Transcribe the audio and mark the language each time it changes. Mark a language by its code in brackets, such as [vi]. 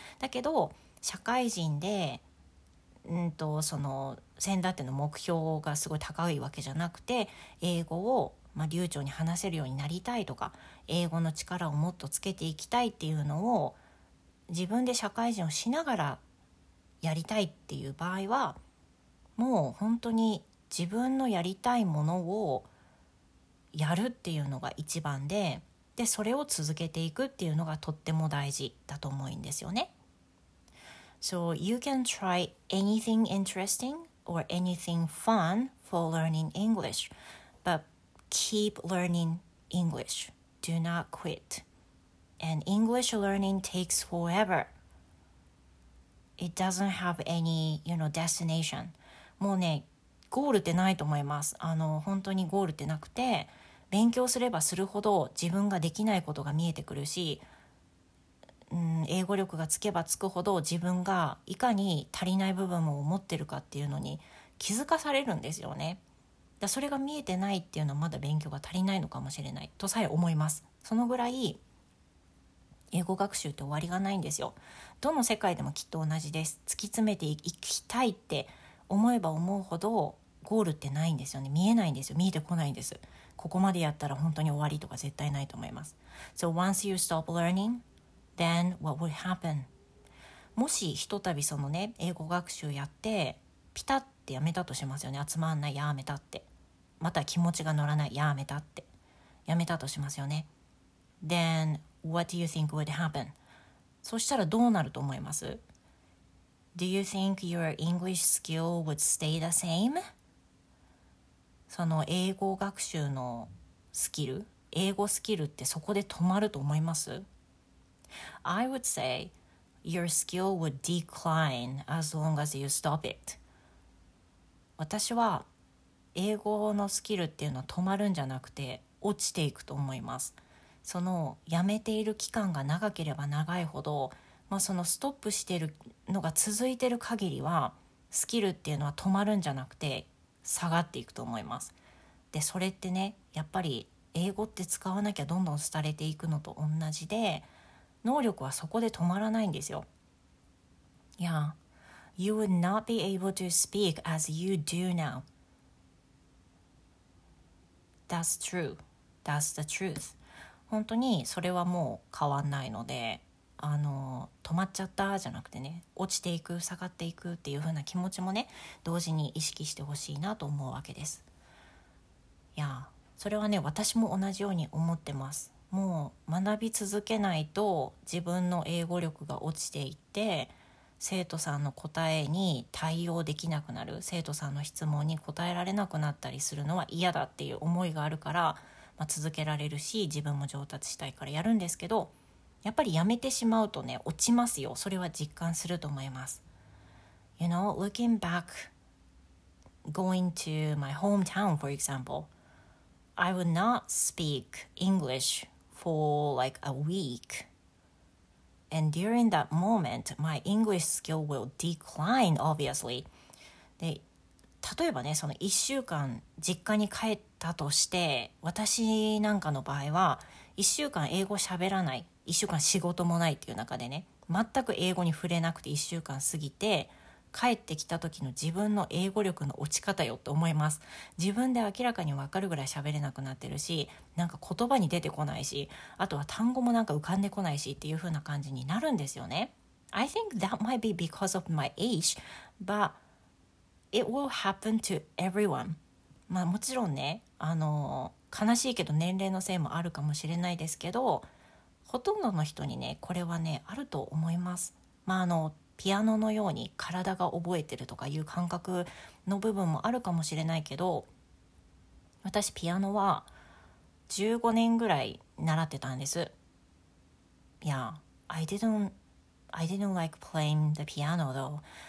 [ja] だけど社会人で、その先だっての目標がすごい高いわけじゃなくて、英語を、流暢に話せるようになりたいとか、英語の力をもっとつけていきたいっていうのを自分で社会人をしながらやりたいっていう場合は、もう本当に自分のやりたいものをやるっていうのが一番で、でそれを続けていくっていうのがとっても大事だと思うんですよね。 [en] So you can try anything interesting or anything fun for learning English, but keep learning English, do not quit. And English learning takes forever. It doesn't have any, you know, destination. [ja] もうね、ゴールってないと思います。本当にゴールってなくて、勉強すればするほど自分ができないことが見えてくるし、英語力がつけばつくほど自分がいかに足りない部分を持ってるかっていうのに気づかされるんですよね。だ、それが見えてないっていうのはまだ勉強が足りないのかもしれないとさえ思います。そのぐらい英語学習って終わりがないんですよ。どの世界でもきっと同じです。突き詰めていきたいって思えば思うほどゴールってないんですよね。見えないんですよ、見えてこないんです。ここまでやったら本当に終わりとか絶対ないと思います。 [en] So once you stop learning, then what will happen? [ja] もしひとたびそのね、英語学習やってピタッてやめたとしますよね。集まんない、やめたって、また気持ちが乗らない、やめたって、やめたとしますよね。 [en] Then what do you think would happen? [ja] そしたらどうなると思います？ [en] Do you think your English skill would stay the same? [ja] その英語学習のスキル、英語スキルってそこで止まると思います? [en] I would say your skill would decline as long as you stop it. [ja] 私は英語のスキルっていうのは止まるんじゃなくて落ちていくと思います。そのやめている期間が長ければ長いほど、そのストップしてるのが続いてる限りはスキルっていうのは止まるんじゃなくて下がっていくと思います。で、それってね、やっぱり英語って使わなきゃどんどん廃れていくのと同じで、能力はそこで止まらないんですよ。 [en] Yeah, you would not be able to speak as you do now. That's true. That's the truth. [ja] 本当にそれはもう変わんないので、あの止まっちゃったじゃなくてね、落ちていく下がっていくっていう風な気持ちもね、同時に意識してほしいなと思うわけです。いや、それはね、私も同じように思ってます。もう学び続けないと自分の英語力が落ちていって、生徒さんの答えに対応できなくなる、生徒さんの質問に答えられなくなったりするのは嫌だっていう思いがあるから、まあ、続けられるし、自分も上達したいからやるんですけど、やっぱりやめてしまうとね、落ちますよ。それは実感すると思います。 [en] You know, looking back, going to my hometown, for example, I would not speak English for like a week. And during that moment, my English skill will decline, obviously. [ja] で、例えばね、その1週間実家に帰ったとして、私なんかの場合は、1週間英語喋らない。 1週間仕事もないっていう中でね、全く英語に触れなくて1週間過ぎて、帰ってきた時の自分の英語力の落ち方よって思います。自分で明らかに分かるぐらい喋れなくなってるし、なんか言葉に出てこないし、あとは単語もなんか浮かんでこないしっていう風な感じになるんですよね。 [en] I think that might be because of my age, but it will happen to everyone. [ja] まあもちろんね、悲しいけど年齢のせいもあるかもしれないですけど、ほとんどの人にね、これはね、あると思います。まあ、ピアノのように体が覚えてるとかいう感覚の部分もあるかもしれないけど、私ピアノは15年ぐらい習ってたんです。 [en] Yeah, I didn't like playing the piano though.